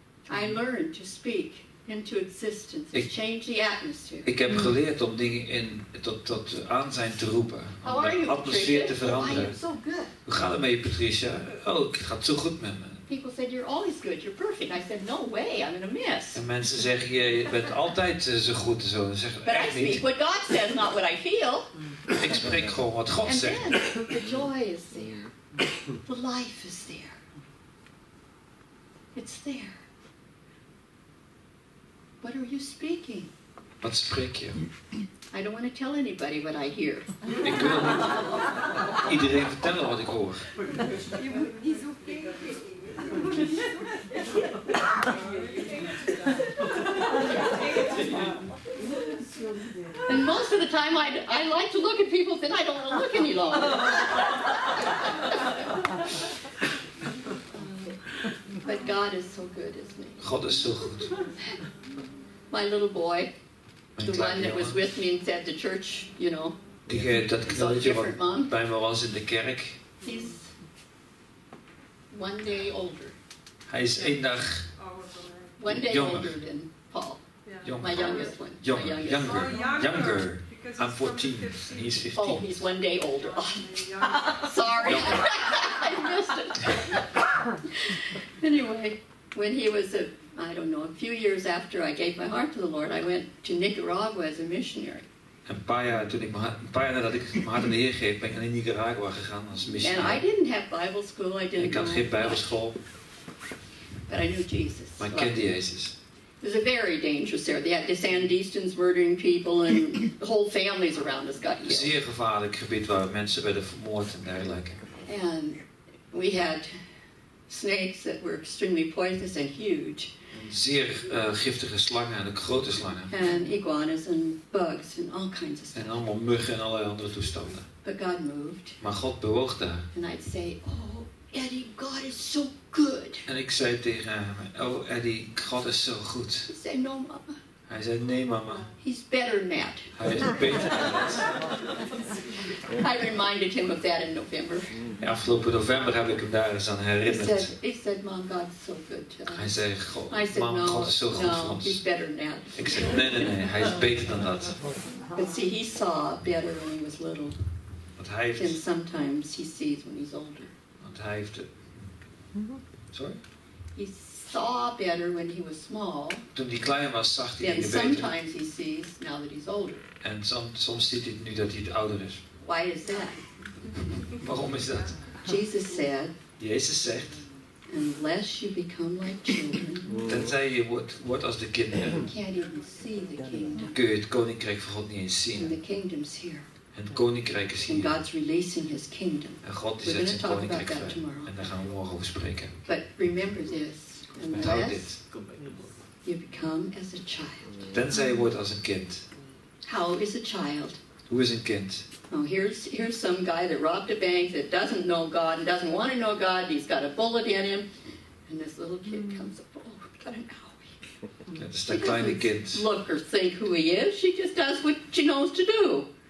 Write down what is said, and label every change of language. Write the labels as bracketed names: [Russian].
[English] I learned to speak into existence. It's changed the atmosphere. [Dutch] Ik heb geleerd om dingen in tot aanzijn te roepen. Om de atmosfeer te veranderen. [English] Oh, I am so good. [Dutch] Hoe gaat het met je, Patricia? Oh, het gaat zo goed met me. [English] People said you're always good, you're perfect. I said, no way, I'm in a mess. [Dutch] En mensen zeggen, je bent altijd zo goed en zo. En zeggen, [English] but I speak what God says, not what I feel. [Dutch] Ik spreek gewoon wat God zegt. [English] And then, the joy is there. The life is there. It's there. What are you speaking? [Dutch] Wat spreek je? [English] I don't want to tell anybody what I hear. [Dutch] Ik wil niet iedereen vertellen wat ik hoor. [English] He's okay. And most of the time I like to look at people and I don't want to look any longer. But God is so good, isn't he? God is so good. My little boy, the one that was with me and said the church, you know. [Dutch] Dat knalletje wat bij me was in de kerk. [English] He's one day older. [Dutch] Hij is één dag [English] one day [Dutch] jonger. [English] Older than Paul. Younger. My youngest one. Younger. Younger. I'm 14. And he's 15. Oh, he's one day older. Sorry. I missed it. Anyway, when he was a few years after I gave my heart to the Lord, I went to Nicaragua as a missionary. [Dutch] Een paar jaar nadat ik mijn hart aan de Heer geef, ben ik naar Nicaragua gegaan als missionary. [English] And I didn't have Bible school. I didn't [Dutch] ik had geen Bijbelschool. [English] But I knew Jesus. [Dutch] Maar ik kende Jezus. [English] It was a very dangerous area. They had the Sandinistas murdering people and whole families around us got killed. [Dutch] Zeer gevaarlijk gebied waar mensen werden vermoord en dergelijke. [English] And we had snakes that were extremely poisonous and huge. [Dutch] Zeer giftige slangen en ook grote slangen. [English] And iguanas and bugs and all kinds of stuff. [Dutch] En allemaal muggen en allerlei andere toestanden. [English] But God moved. [Dutch] Maar God bewoog daar. [English] And I'd say, oh, Eddie, God is so good. [Dutch] En ik zei tegen hem, oh Eddie, God is zo goed. [English] He said, no, mama. [Dutch] Hij zei, nee mama. [English] He's better than that. [Dutch] Hij is beter dan dat. [English] I reminded him of that in November. [Dutch] Ja, afgelopen november heb ik hem daar eens aan herinnerd. [English] He said, mom, God is so good. [Dutch] Hij zei, God is zo goed voor ons. [English] He's better than that. [Dutch] Ik zei, nee, hij is beter dan dat. [English] But see, he saw better when he was little. [Dutch] Wat hij heeft. [English] Than sometimes he sees when he's older. [Dutch] Want hij heeft het. [English] He saw better when he was small. [Dutch] Toen hij klein was, zag hij dingen beter. [English] Then sometimes he sees now that he's older. [Dutch] En soms ziet hij nu dat hij ouder is. [English] Why is that? [Dutch] Waarom is dat? [English] Jesus said. [Dutch] Jezus zegt. [English] Unless you become like children. [Dutch] Tenzij je wordt als de kinderen. [English] You can't even see the kingdom. [Dutch] Kun je het koninkrijk van God niet eens zien? [English] And the kingdom's here. [Dutch] Het koninkrijk is hier. [English] And God's releasing his kingdom. [Dutch] En God die zet zijn koninkrijk vrij. En daar gaan we morgen over spreken. [English] But remember this. [Dutch] Onthoud dit. [English] You become as a child. [Dutch] Tenzij je wordt als een kind. [English] How is a child? [Dutch] Hoe is een kind? [English] Oh, here's some guy that robbed a bank that doesn't know God and doesn't want to know God. And he's got a bullet in him. And this little kid comes up. Oh, we've got an owie. [Dutch] Het is dat kleine kind. [English] Look or think who he is. She just does what she knows to do.